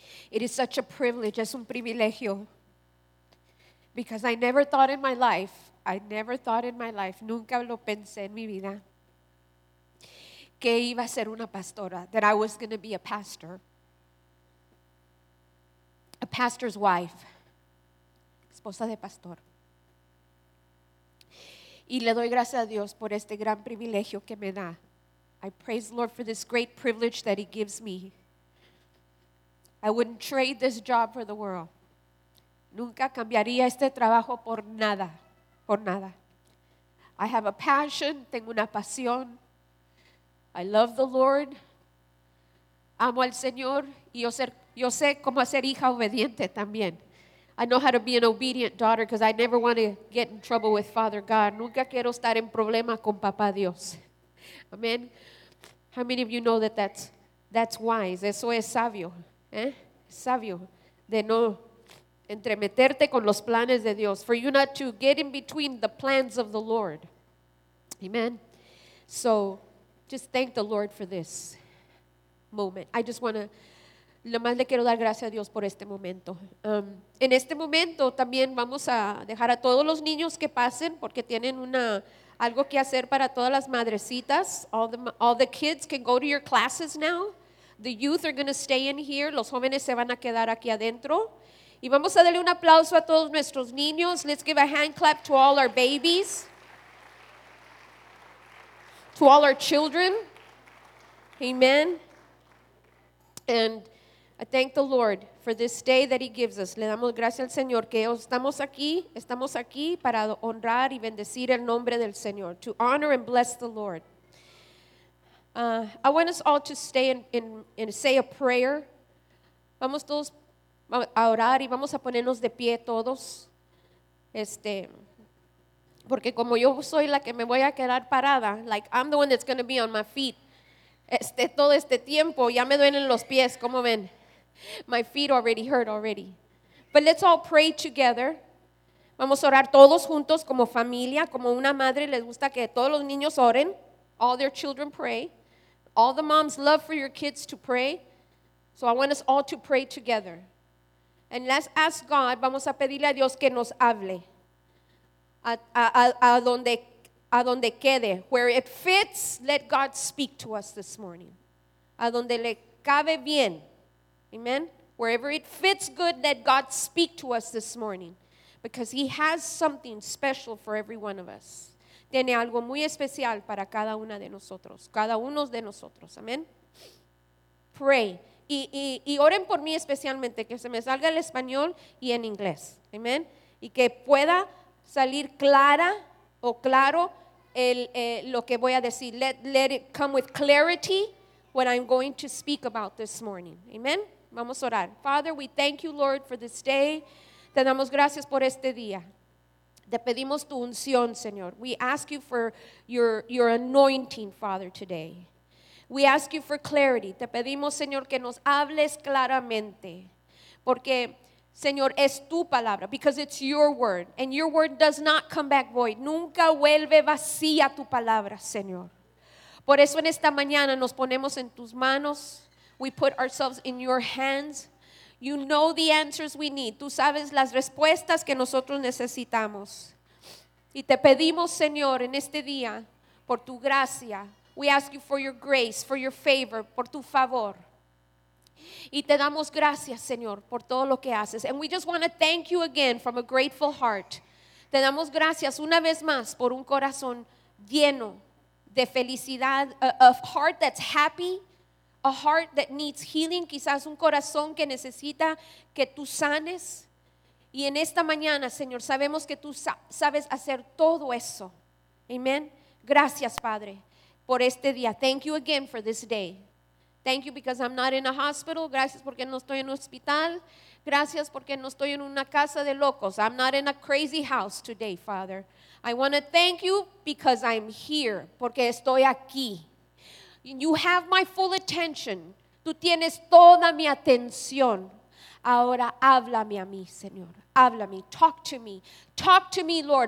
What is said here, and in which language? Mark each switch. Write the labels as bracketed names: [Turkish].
[English] It is such a privilege, [Spanish] es un privilegio. [English] Because I never thought in my life, [Spanish] nunca lo pensé en mi vida, que iba a ser una pastora, [English] that I was going to be a pastor. A pastor's wife. [Spanish] Esposa de pastor. Y le doy gracias a Dios por este gran privilegio que me da. [English] I praise the Lord for this great privilege that He gives me. I wouldn't trade this job for the world. [Spanish] Nunca cambiaría este trabajo por nada. Por nada. [English] I have a passion, [Spanish] tengo una pasión. [English] I love the Lord. [Spanish] Amo al Señor. Y yo sé cómo hacer hija obediente también. [English] I know how to be an obedient daughter because I never want to get in trouble with Father God. [Spanish] Nunca quiero estar en problema con Papá Dios. [English] Amen. How many of you know that that's wise? [Spanish] Eso es sabio. ¿Eh? Sabio. De no entremeterte con los planes de Dios. [English] For you not to get in between the plans of the Lord. Amen. So, just thank the Lord for this moment. I just want to, [Spanish] lo más le quiero dar gracias a Dios por este momento. En este momento también vamos a dejar a todos los niños que pasen porque tienen algo que hacer para todas las madrecitas. [English] All the kids can go to your classes now. The youth are going to stay in here. [Spanish] Los jóvenes se van a quedar aquí adentro. Y vamos a darle un aplauso a todos nuestros niños. [English] Let's give a hand clap to all our babies. To all our children, amen. And I thank the Lord for this day that He gives us. [Spanish] Le damos gracias al Señor que estamos aquí para honrar y bendecir el nombre del Señor. [English] To honor and bless the Lord. I want us all to stay and say a prayer. [Spanish] Vamos todos a orar y vamos a ponernos de pie todos. Porque como yo soy la que me voy a quedar parada, [English] like I'm the one that's going to be on my feet, [Spanish] todo este tiempo, ya me duelen los pies, ¿cómo ven? [English] My feet already hurt already. But let's all pray together. [Spanish] Vamos a orar todos juntos como familia, como una madre les gusta que todos los niños oren. [English] All their children pray. All the moms love for your kids to pray. So I want us all to pray together. And let's ask God, [Spanish] vamos a pedirle a Dios que nos hable. A donde quede, [English] where it fits, let God speak to us this morning. [Spanish] A donde le cabe bien, [English] amen. Wherever it fits good, let God speak to us this morning, because He has something special for every one of us. [Spanish] Tiene algo muy especial para cada una de nosotros, cada uno de nosotros, amen. Pray y oren por mí especialmente que se me salga el español y en inglés, amen, y que pueda salir clara o claro lo que voy a decir. [English] Let it come with clarity what I'm going to speak about this morning. Amen. [Spanish] Vamos a orar. [English] Father, we thank you, Lord, for this day. [Spanish] Te damos gracias por este día. Te pedimos tu unción, Señor. [English] We ask you for your anointing, Father, today. We ask you for clarity. [Spanish] Te pedimos, Señor, que nos hables claramente. Porque Señor, es tu palabra, [English] because it's your word, and your word does not come back void. [Spanish] Nunca vuelve vacía tu palabra, Señor. Por eso en esta mañana nos ponemos en tus manos. [English] We put ourselves in your hands. You know the answers we need. [Spanish] Tú sabes las respuestas que nosotros necesitamos. Y te pedimos, Señor, en este día, por tu gracia. [English] We ask you for your grace, for your favor, [Spanish] por tu favor. Y te damos gracias, Señor, por todo lo que haces. [English] And we just want to thank you again from a grateful heart. [Spanish] Te damos gracias una vez más por un corazón lleno de felicidad, [English] a heart that's happy, a heart that needs healing, [Spanish] quizás un corazón que necesita que tú sanes. Y en esta mañana, Señor, sabemos que tú sabes hacer todo eso. Amen. Gracias, Padre, por este día. [English] Thank you again for this day. Thank you because I'm not in a hospital. [Spanish] Gracias porque no estoy en un hospital. Gracias porque no estoy en una casa de locos. [English] I'm not in a crazy house today, Father. I want to thank you because I'm here. [Spanish] Porque estoy aquí. [English] You have my full attention. [Spanish] Tú tienes toda mi atención. Ahora háblame a mí, Señor. Háblame. [English] Talk to me. Talk to me, Lord.